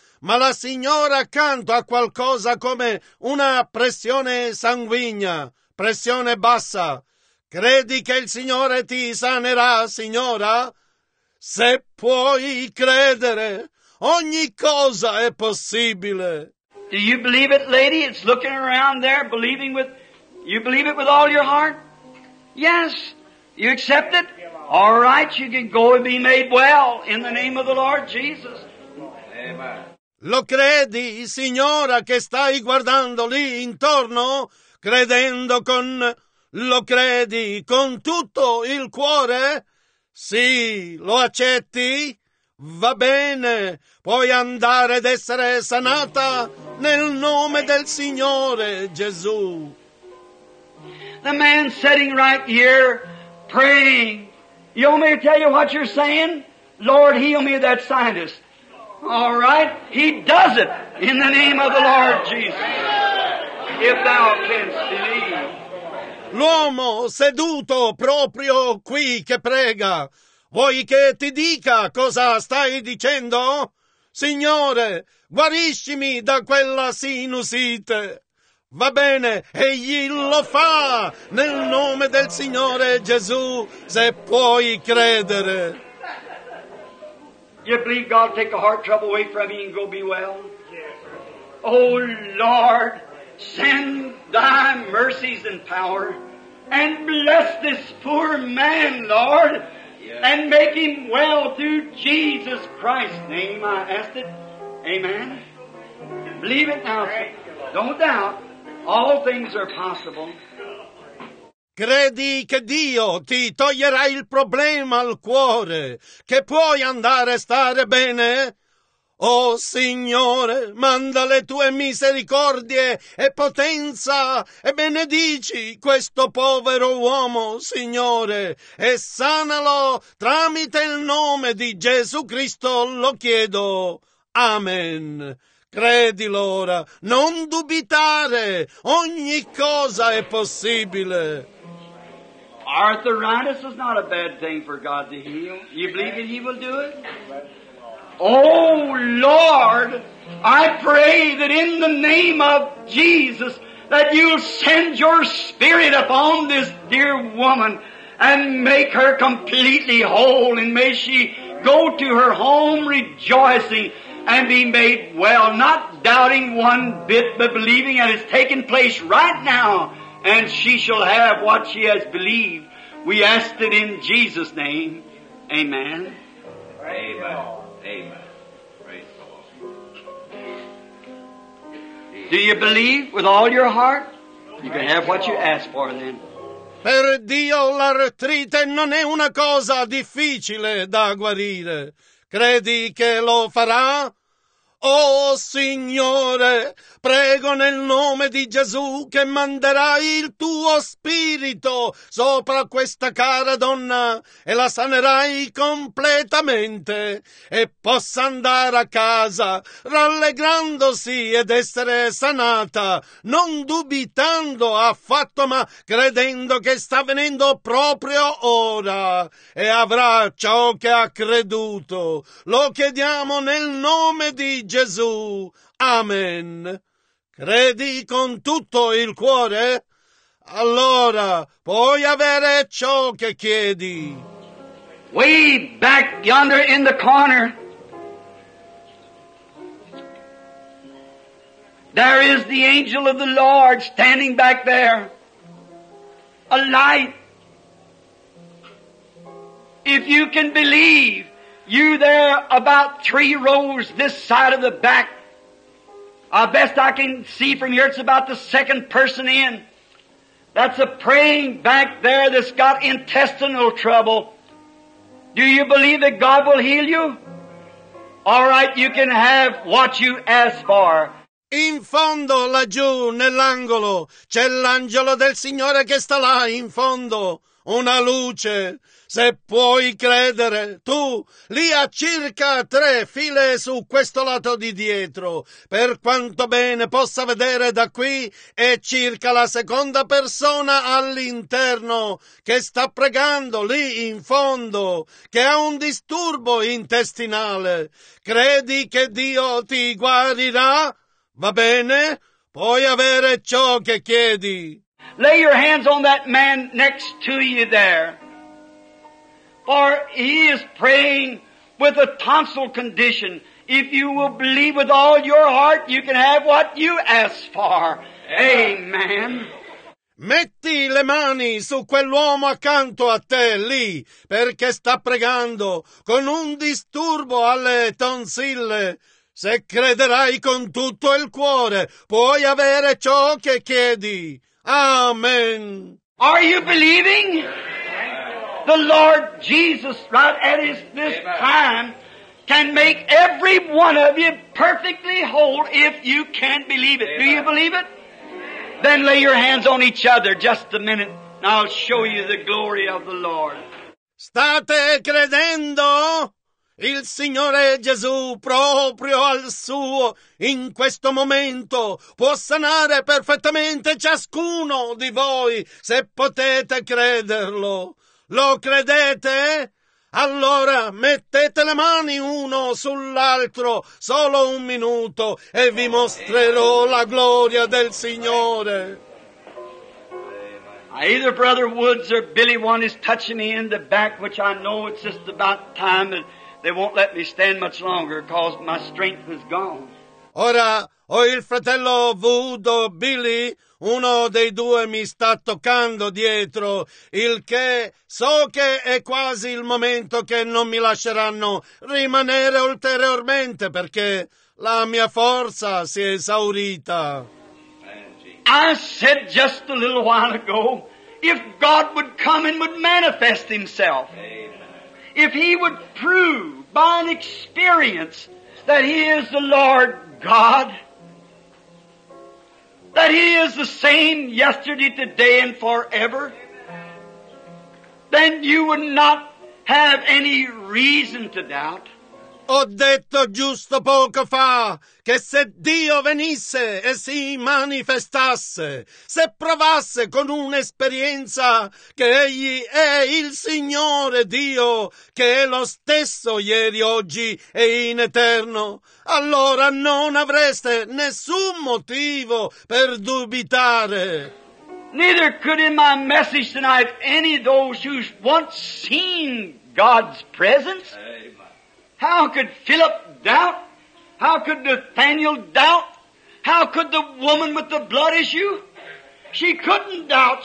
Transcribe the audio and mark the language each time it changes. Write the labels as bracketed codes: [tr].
[it] Ma la signora accanto ha qualcosa come una pressione sanguigna, pressione bassa. Credi che il Signore ti sanerà, signora? Se puoi credere, ogni cosa è possibile. [en] Do you believe it, lady? It's looking around there, believing with... You believe it with all your heart? Yes. You accept it? All right, you can go and be made well in the name of the Lord Jesus. Amen. [it] Lo credi, signora, che stai guardando lì intorno? Credendo con... Lo credi con tutto il cuore? Sì, lo accetti? Va bene, puoi andare ad essere sanata nel nome del Signore Gesù. [en] The man sitting right here praying. You want me to tell you what you're saying? Lord, heal me of that sinus. All right, he does it in the name of the Lord Jesus. If thou canst believe. [it] L'uomo seduto proprio qui che prega. Vuoi che ti dica cosa stai dicendo? Signore, guariscimi da quella sinusite. Va bene, egli lo fa nel nome del Signore Gesù, se puoi credere. [en] You believe God take a heart trouble away from you and go be well? Oh Lord, send thy mercies and power and bless this poor man, Lord. And make him well through Jesus Christ's name, I ask it. Amen. Believe it now. Don't doubt. All things are possible. [it] Credi che Dio ti toglierà il problema al cuore, che puoi andare a stare bene? Oh Signore, manda le tue misericordie e potenza e benedici questo povero uomo, Signore, e sanalo tramite il nome di Gesù Cristo, lo chiedo. Amen. Credilo ora, non dubitare, ogni cosa è possibile. [en] Arthritis is not a bad thing for God to heal. You believe that he will do it? Oh, Lord, I pray that in the name of Jesus that you'll send your spirit upon this dear woman and make her completely whole, and may she go to her home rejoicing and be made well, not doubting one bit, but believing that it's taking place right now, and she shall have what she has believed. We ask it in Jesus' name. Amen. Amen. Amen. Praise the Lord. Do you believe with all your heart? You can have what you ask for then. [it] Per Dio, l'artrite non è una cosa difficile da guarire. Credi che lo farà? Oh, Signore, prego nel nome di Gesù che manderai il tuo spirito sopra questa cara donna e la sanerai completamente e possa andare a casa rallegrandosi ed essere sanata, non dubitando affatto, ma credendo che sta venendo proprio ora e avrà ciò che ha creduto. Lo chiediamo nel nome di Gesù. Amen. Credi con tutto il cuore? Allora puoi avere ciò che chiedi. [en] Way back yonder in the corner, there is the angel of the Lord standing back there. A light. If you can believe, you there about three rows this side of the back, best I can see from here, it's about the second person in. That's a praying back there that's got intestinal trouble. Do you believe that God will heal you? All right, you can have what you ask for. [it] In fondo, laggiù, nell'angolo, c'è l'angelo del Signore che sta là, in fondo, una luce. Se puoi credere, tu, lì a circa tre file su questo lato di dietro, per quanto bene possa vedere da qui, è circa la seconda persona all'interno che sta pregando lì in fondo, che ha un disturbo intestinale. Credi che Dio ti guarirà? Va bene? Puoi avere ciò che chiedi. [en] Lay your hands on that man next to you there. Or he is praying with a tonsil condition. If you will believe with all your heart, you can have what you ask for. Amen. [it] Metti le mani su quell'uomo accanto a te lì, perché sta pregando con un disturbo alle tonsille. Se crederai con tutto il cuore, puoi avere ciò che chiedi. Amen. [en] Are you believing? The Lord Jesus, right at this time, can make every one of you perfectly whole if you can believe it. Amen. Do you believe it? Amen. Then lay your hands on each other just a minute, and I'll show you the glory of the Lord. [it] State credendo? Il Signore Gesù, proprio al suo, in questo momento, può sanare perfettamente ciascuno di voi, se potete crederlo. Lo credete? Allora mettete le mani uno sull'altro, solo un minuto, e vi mostrerò la gloria del Signore. [en] Either Brother Woods or Billy One is touching me in the back, which I know it's just about time, and they won't let me stand much longer because my strength is gone. [it] Ora, o il fratello Wood o Billy, uno dei due mi sta toccando dietro, il che so che è quasi il momento che non mi lasceranno rimanere ulteriormente perché la mia forza si è esaurita. [en] I said just a little while ago, if God would come and would manifest himself, if he would prove by an experience that he is the Lord God, that he is the same yesterday, today, and forever, then you would not have any reason to doubt. [it] Ho detto giusto poco fa che se Dio venisse e si manifestasse, se provasse con un'esperienza che egli è il Signore Dio, che è lo stesso ieri, oggi e in eterno, allora non avreste nessun motivo per dubitare. [en] Neither could in my message tonight any of those who once seen God's presence. How could Philip doubt? How could Nathaniel doubt? How could the woman with the blood issue? She couldn't doubt.